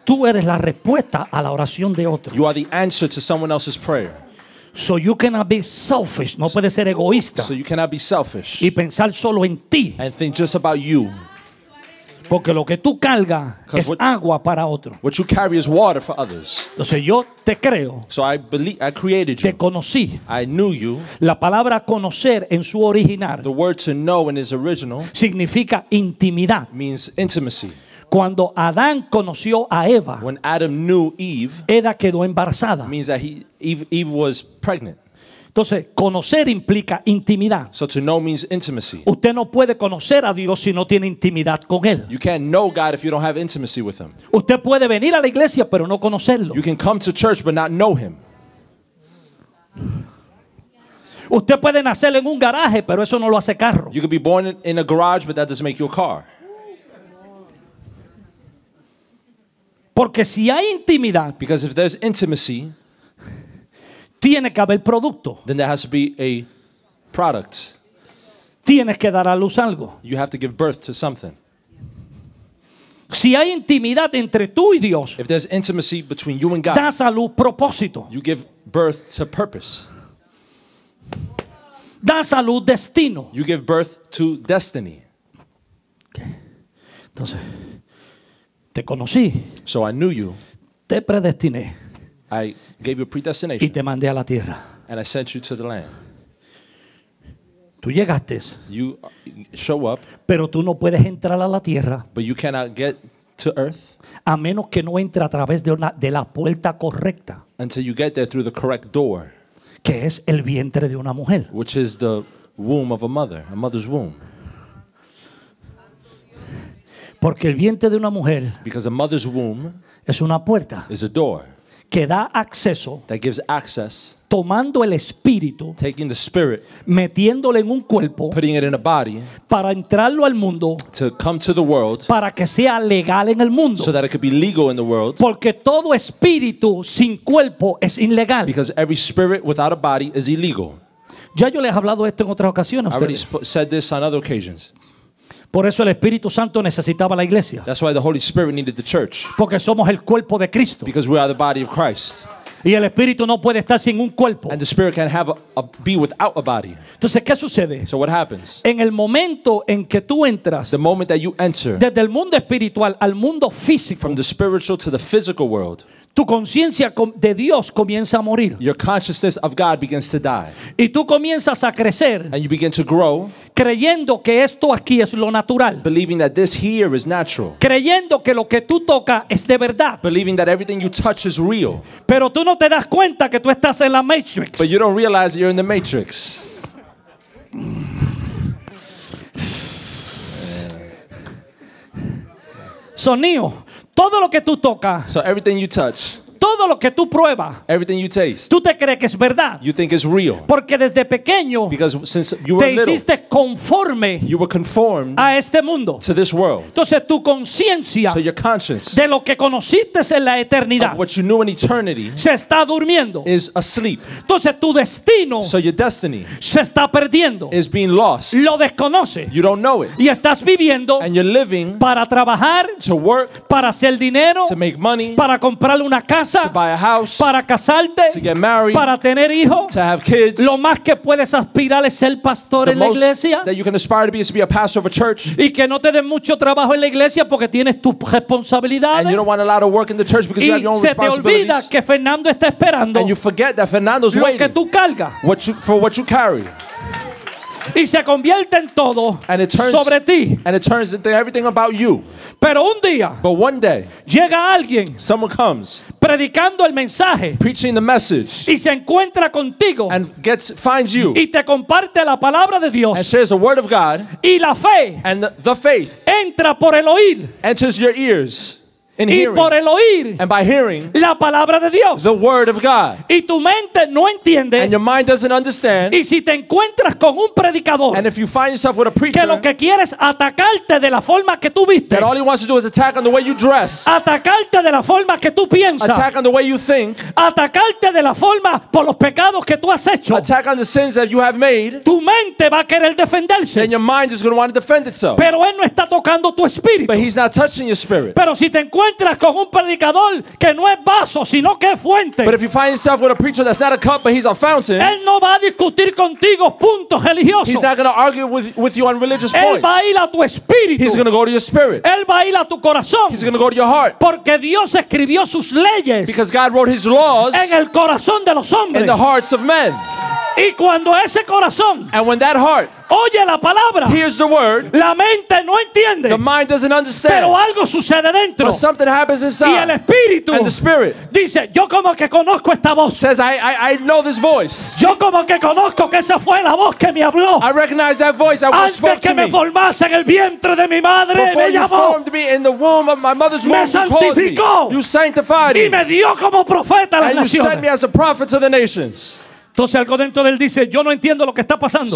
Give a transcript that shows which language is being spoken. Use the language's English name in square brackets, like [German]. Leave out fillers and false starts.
[Spanish] Tú eres la respuesta a la oración de otro. [English] You are the answer to someone else's prayer. So you cannot be selfish. [Spanish] No puedes ser egoísta. [English] So you cannot be selfish. [Spanish] Y pensar solo en ti. [English] And think just about you. [Spanish] Porque lo que tú cargas es agua para otro. [English] What you carry is water for others. [Spanish] Entonces yo te creo. [English] So I believe, I created you. [Spanish] Te conocí. [English] I knew you. [Spanish] La palabra conocer en su original. [English] The word to know in its original. [Spanish] Significa intimidad. [English] Means intimacy. [Spanish] Cuando Adán conoció a Eva, [English] when Adam knew Eve, [Spanish] Eva quedó embarazada. [English] Means that Eve was pregnant. [Spanish] Entonces, conocer implica intimidad. [English] So to know means intimacy. [Spanish] Usted no puede conocer a Dios si no tiene intimidad con Él. [English] You can't know God if you don't have intimacy with Him. [Spanish] Usted puede venir a la iglesia, pero no conocerlo. [English] You can come to church but not know Him. [Spanish] Usted puede nacer en un garaje, pero eso no lo hace carro. [English] You could be born in a garage, but that doesn't make you a car. [Spanish] Porque si hay intimidad, [English] because if there's intimacy, [Spanish] tiene que haber producto. [English] Then there has to be a product. [Spanish] Tienes que dar a luz algo. [English] You have to give birth to something. [Spanish] Si hay intimidad entre tú y Dios, [English] if there's intimacy between you and God, [Spanish] das a luz propósito. [English] You give birth to purpose. [Spanish] Das a luz destino. [English] You give birth to destiny. [Spanish] Okay. Entonces, te conocí. [English] So I knew you. [Spanish] Te predestiné. [English] I gave you a predestination. [Spanish] Y te mandé a la tierra. [English] And I sent you to the land. [Spanish] Tú llegaste. [English] You show up. [Spanish] Pero tú no puedes entrar a la tierra. [English] But you cannot get to earth. [Spanish] A menos que no entre a través de una de la puerta correcta. [English] Until you get there through the correct door. [Spanish] Que es el vientre de una mujer. [English] Which is the womb of a mother, a mother's womb. [Spanish] Porque el vientre de una mujer. [English] Because a mother's womb. [Spanish] Es una puerta. [English] Is a door. [Spanish] Que da acceso, [English] that gives access, [Spanish] tomando el espíritu, [English] taking the spirit, [Spanish] metiéndole en un cuerpo, [English] putting it in a body, [Spanish] para entrarlo al mundo, [English] to come to the world, [Spanish] para que sea legal en el mundo, [English] so that it could be legal in the world, [Spanish] porque todo espíritu sin cuerpo es ilegal, [English] because every spirit without a body is illegal. [Spanish] Ya yo les he hablado esto en otras ocasiones. [English] I've already said this on other occasions. [Spanish] Por eso el Espíritu Santo necesitaba la iglesia. [English] That's why the Holy Spirit needed the church. [Spanish] Porque somos el cuerpo de Cristo. [English] Because we are the body of Christ. [Spanish] Y el Espíritu no puede estar sin un cuerpo. [English] And the Spirit can't have be without a body. [Spanish] Entonces, ¿qué sucede? [English] So what happens? [Spanish] En el momento en que tú entras, [English] the moment that you enter, [Spanish] desde el mundo espiritual al mundo físico, [English] from the spiritual to the physical world, [Spanish] tu conciencia de Dios comienza a morir. [English] Your consciousness of God begins to die. [Spanish] Y tú comienzas a crecer. [English] And you begin to grow. [Spanish] Creyendo que esto aquí es lo natural. [English] Believing that this here is natural. [Spanish] Creyendo que lo que tú tocas es de verdad. [English] Believing that everything you touch is real. [Spanish] Pero tú no te das cuenta que tú estás en la Matrix. [English] But you don't realize you're in the Matrix. [Spanish] Sonido. Todo lo que tú tocas, [English] so everything you touch, [Spanish] todo lo que tú pruebas, [English] everything you taste, [Spanish] tú te crees que es verdad, [English] you think it's real, [Spanish] porque desde pequeño, [English] because since you were [Spanish] te hiciste [English] little, [Spanish] conforme, [English] you were conformed [Spanish] a este mundo, [English] to this world. [Spanish] Entonces tu conciencia, [English] so your conscience, [Spanish] de lo que conociste en la eternidad, [English] of what you knew in eternity, [Spanish] se está durmiendo, [English] is asleep. [Spanish] Entonces tu destino, [English] so your destiny, [Spanish] se está perdiendo, [English] is being lost. [Spanish] Lo desconoce, [English] you don't know it, [Spanish] y estás viviendo, [English] and you're living, [Spanish] para trabajar, [English] to work, [Spanish] para hacer dinero, [English] to make money, [Spanish] para comprarle una casa, [English] to buy a house, [Spanish] para casarte, [English] to get married, [Spanish] para tener hijo, [English] to have kids. [Spanish] Lo más que puedes aspirar es ser pastor [English] the [Spanish] en la iglesia, [English] that you can aspire to be is to be a pastor of a church, [Spanish] y que no te den mucho trabajo en la iglesia porque tienes tus responsabilidades, [English] and you don't want a lot of work in the church because [Spanish] y [English] you have your own [Spanish] se [English] responsibilities, [Spanish] te olvida que Fernando está esperando, [English] and you forget that Fernando's [Spanish] lo [English] waiting [Spanish] que tú cargas, [English] what you, for what you carry, [Spanish] y se convierte en todo, [English] and it turns, [Spanish] sobre ti, [English] and it turns into everything about you. [Spanish] Pero un día, [English] but one day, [Spanish] llega alguien, [English] someone comes, [Spanish] predicando el mensaje, [English] preaching the message, [Spanish] y se encuentra contigo, [English] and finds you, [Spanish] y te comparte la palabra de Dios, [English] and shares the word of God, [Spanish] y la fe, [English] and the faith, [Spanish] entra por el oír, [English] enters your ears, in [Spanish] y [English] hearing, [Spanish] por el oír, [English] and by hearing, [Spanish] la palabra de Dios, [English] the word of God, [Spanish] y tu mente no entiende, [English] and your mind doesn't understand, [Spanish] y si te encuentras con un predicador, [English] and if you find yourself with a preacher, [Spanish] que lo que quiere es atacarte de la forma que tú viste, [English] that all he wants to do is attack on the way you dress, [Spanish] atacarte de la forma que tú piensas, [English] attack on the way you think, [Spanish] atacarte de la forma por los pecados que tú has hecho, [English] attack on the sins that you have made, [Spanish] tu mente va a querer defenderse, [English] and your mind is going to want to defend itself, [Spanish] pero él no está tocando tu espíritu, [English] but he's not touching your spirit, [Spanish] pero si te encuentras con un predicador que no es vaso sino que es fuente. [English] But if you find yourself with a preacher that's not a cup but he's a fountain. [Spanish] Él no va a discutir contigo puntos religiosos. [English] He's not going to argue with you on religious points. [Spanish] Él va a ir a tu espíritu. [English] He's going to go to your spirit. [Spanish] Él va a ir a tu corazón. [English] He's going to go to your heart. [Spanish] Porque Dios escribió sus leyes. [English] Because God wrote his laws. [Spanish] En el corazón de los hombres. [English] In the hearts of men. [Spanish] Y cuando ese corazón [English] heart, [Spanish] oye la palabra, [English] hears the word, [Spanish] la mente no entiende, [English] the mind doesn't understand, [Spanish] pero algo sucede dentro, [English] but something happens inside, [Spanish] y el espíritu, [English] and the spirit, [Spanish] dice, yo como que conozco esta voz, [English] says I know this voice, [Spanish] yo como que conozco que esa fue la voz que me habló, [English] I recognize that voice, that [Spanish] antes [English] spoke [Spanish] que [English] to [Spanish] me formase en el vientre de mi madre, [English] before [Spanish] me llamó, [English] you formed me in the womb of my mother's womb, [Spanish] me santificó, [English] you sanctified [Spanish] me, y me dio como profeta a las [English] and [Spanish] naciones, [English] and you sent me as a prophet to the nations. [Spanish] Entonces algo dentro de él dice, yo no entiendo lo que está pasando.